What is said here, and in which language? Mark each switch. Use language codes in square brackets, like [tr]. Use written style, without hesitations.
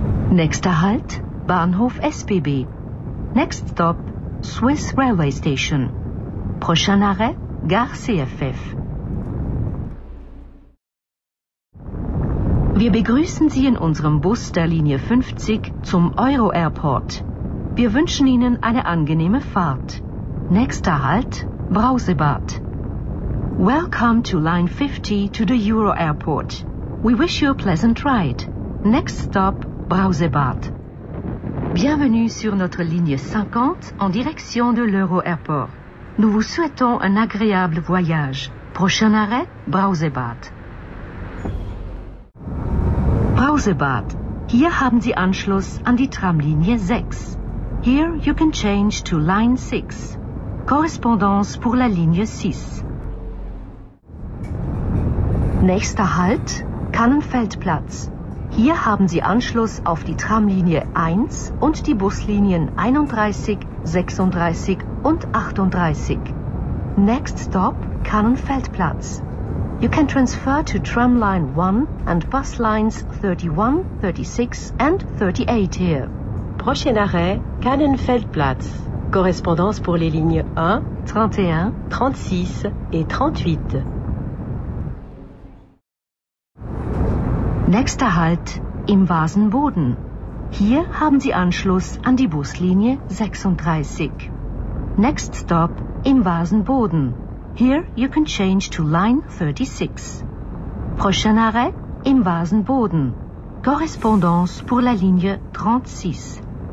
[de] Nächster Halt, Bahnhof SBB. [en] Next stop, Swiss Railway Station. [fr] Prochain arrêt, Gare CFF. [de] Wir begrüßen Sie in unserem Bus der Linie 50 zum Euro Airport. Wir wünschen Ihnen eine angenehme Fahrt. Nächster Halt, Brausebad. [en] Welcome to Line 50 to the Euro Airport. We wish you a pleasant ride. Next stop, Brausebad. [fr] Bienvenue sur notre ligne 50 en direction de l'Euro Airport. Nous vous souhaitons un agréable voyage. Prochain arrêt, Brausebad. [de] Brausebad, hier haben Sie Anschluss an die Tramlinie 6. [en] Here you can change to Line 6. [fr] Correspondance pour la ligne 6. [de] Nächster Halt, Kannenfeldplatz. Hier haben Sie Anschluss auf die Tramlinie 1 und die Buslinien 31, 36 und 38. [en] Next stop, Kannenfeldplatz. You can transfer to tram line 1 and bus lines 31, 36 and 38 here. [fr] Prochain arrêt, Kannenfeldplatz. Correspondance pour les lignes 1, 31, 36 et 38. [de] Nächster Halt im Wasenboden. Hier haben Sie Anschluss an die Buslinie 36. [en] Next stop im Wasenboden. Here you can change to line 36. [fr] Prochain arrêt im Wasenboden. Correspondance pour la ligne 36.